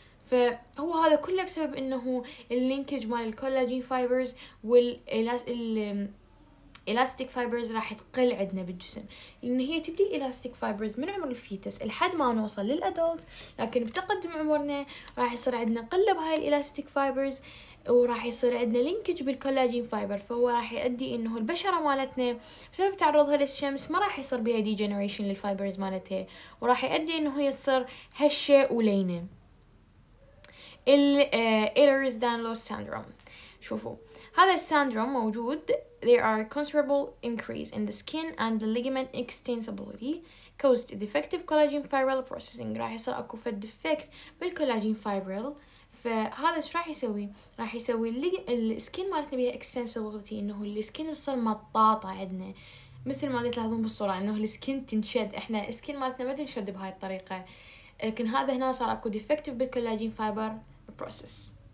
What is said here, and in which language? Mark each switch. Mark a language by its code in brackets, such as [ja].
[ar] فهو هذا كله بسبب انه اللينكج مال الكولاجين فايبرز والإلاستيك فايبرز راح تقل عندنا بالجسم، لان هي تبدي الإلاستيك فايبرز من عمر الفيتس لحد ما نوصل للأدولت، لكن بتقدم عمرنا راح يصير عندنا قلة بهاي الإلاستيك فايبرز وراح يصير عندنا لينكج بالكولاجين فايبر، فهو راح يؤدي انه البشرة مالتنا بسبب تعرضها للشمس ما راح يصير بها ديجنريشن للفايبرز مالتها، وراح يؤدي انه يصير هشة ولينة. [en] Ehlers-Danlos syndrome. [ar] شوفوا هذا السيندروم موجود. [en] There are considerable increase in the skin and the ligament extensibility caused defective collagen fibril processing. [ar] راح يصير اكو فد ديفكت بالكولاجين فايبرل، فهذا ايش راح يسوي؟ راح يسوي السكن مالتنا بيها extensibility، انه السكن تصير مطاطه عندنا مثل ما تلاحظون بالصوره، انه السكن تنشد. احنا السكن مالتنا ما تنشد بهاي الطريقه، لكن هذا هنا صار اكو ديفكتيف بالكولاجين فايبر بروسس.